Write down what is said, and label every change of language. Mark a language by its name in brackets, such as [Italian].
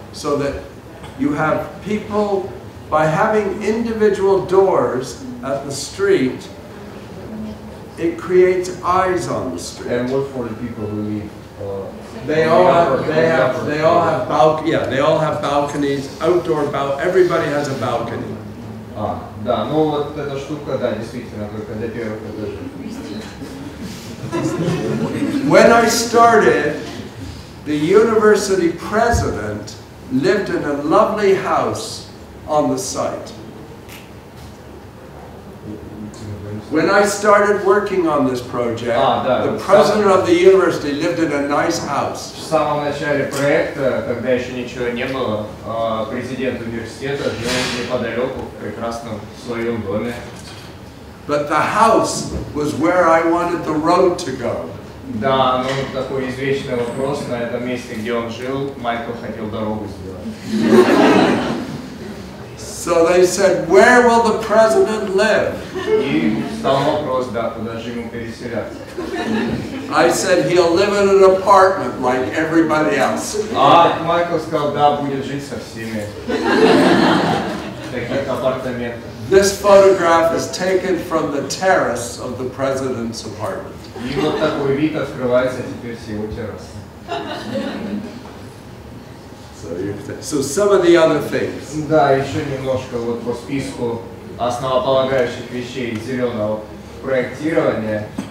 [English] so that you have people, by having individual doors at the street, it creates eyes on the street. And what for the people who leave? They all have balconies, outdoor balconies, everybody has a balcony. [Russian] Да, ну вот эта штука, да, действительно, только для первых этажей. [English] When I started, the university president lived in a lovely house on the site. When I started working on this project, the president of the university lived in a nice house. [Russian] В самом начале проекта, когда еще ничего не было, президент университета жил неподалеку в прекрасном своем доме. [English] But the house was where I wanted the road to go. [Russian] Да, ну такой извечный вопрос. На этом месте, где он жил, Майкл хотел дорогу сделать. [English] So they said, where will the president live? [Russian] И стал вопрос, да, куда же ему переселяться? [English] I said, he'll live in an apartment like everybody else. [Russian] А Майкл сказал, да, будет жить со всеми. Таких апартаментов. [English] This photograph is taken from the terrace of the president's apartment. [Russian] И вот такой вид открывается теперь с его террасы. [English] So some of the other things. [Russian] Да, еще немножко вот по списку основополагающих вещей зеленого проектирования.